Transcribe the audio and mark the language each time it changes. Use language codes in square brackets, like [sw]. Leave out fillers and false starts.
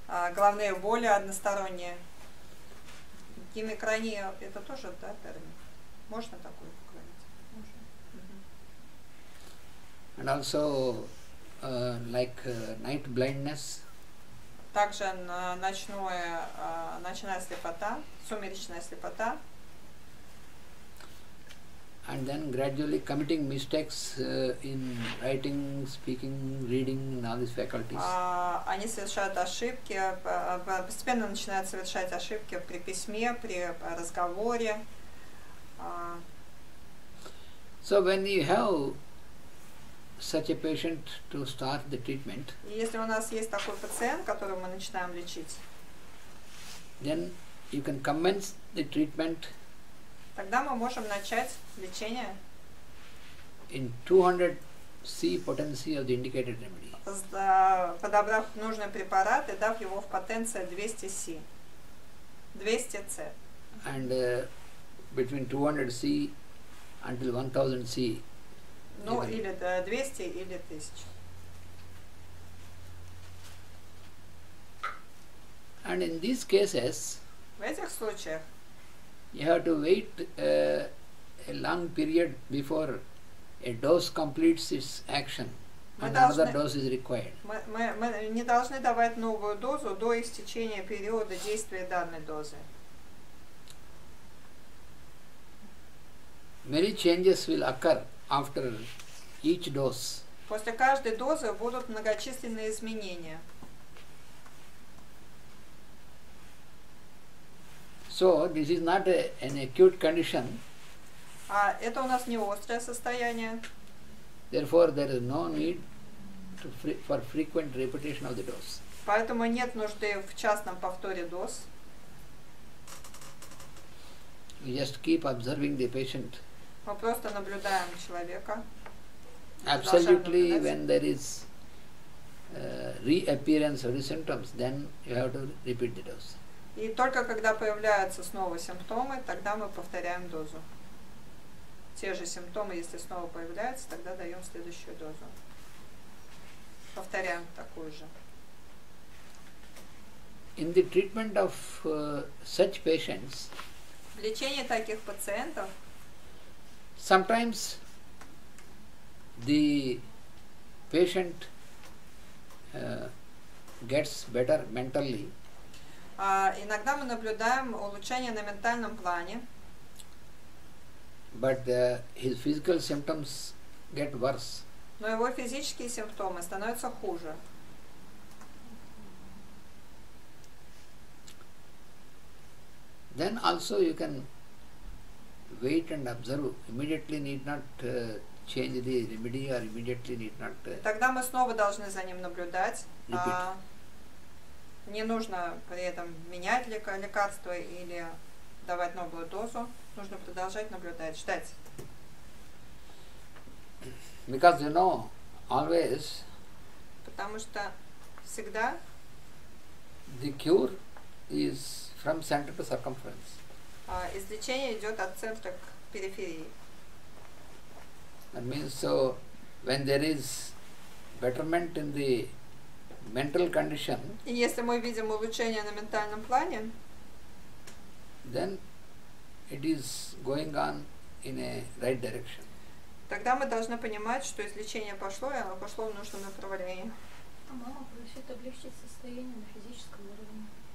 [ru] Головные боли односторонние. Гемикрания – это тоже, да, термин? Можно такое говорить? Можно. [en] And also night blindness. [ru] Также ночная слепота, сумеречная слепота. [en] And then gradually committing mistakes in writing, speaking, reading and all these faculties. [ru] Они совершают ошибки, постепенно начинают совершать ошибки при письме, при разговоре. [en] So when you have such a patient to start the treatment. [ru] Если у нас есть такой пациент, которого мы начинаем лечить, [en] then you can commence the treatment. [ru] Тогда мы можем начать лечение. [en] In 200 C potency of the indicated remedy. [ru] Подобрав нужный препарат и дав его в потенции 200 C. [en] 200 C. And between 200 C until 1000 C. [ru] Ну, или 200, или 1000. [en] And in these cases, [ru] в этих случаях, [en] you have to wait a long period before a dose completes its action, and another dose is required. [ru] Мы не должны давать новую дозу до истечения периода действия данной дозы. [en] Many changes will occur after each dose. [ru] После каждой дозы будут многочисленные изменения. [en] So this is not an acute condition. [ru] А это у нас не острое состояние. [en] Therefore, there is no need to for frequent repetition of the dose. [ru] Поэтому нет нужды в частном повторе доз. [en] You just keep observing the patient. [ru] Мы просто наблюдаем человека. [en] Absolutely, when there is reappearance of the symptoms, then you have to repeat the dose. [ru] И только когда появляются снова симптомы, тогда мы повторяем дозу. Те же симптомы, если снова появляются, тогда даем следующую дозу. Повторяем такую же. [en] In the treatment of such patients, [ru] в лечении таких пациентов, [en] sometimes the patient gets better mentally. [ru] Иногда мы наблюдаем улучшение на ментальном плане. [en] But his physical symptoms get worse. [ru] Но его физические симптомы становятся хуже. [en] Then also you can wait and observe. Immediately need not change the remedy or immediately need not. [ru] Тогда мы снова должны за ним наблюдать. [en] Repeat. [ru] Не нужно при этом менять лекарство или давать новую дозу. Нужно продолжать наблюдать, ждать. [en] Because you know, always. [ru] Потому что всегда. [en] The cure is from center to circumference. [ru] Излечение идет от центра к периферии. [en] That means so, when there is betterment in the mental condition. [ru] И если мы видим улучшение на ментальном плане. [en] Then. It is going on in a right direction. [ru] Тогда мы должны понимать, что излечение пошло, и оно пошло в нужном направлении. А мама просит облегчить состояние на физическом уровне.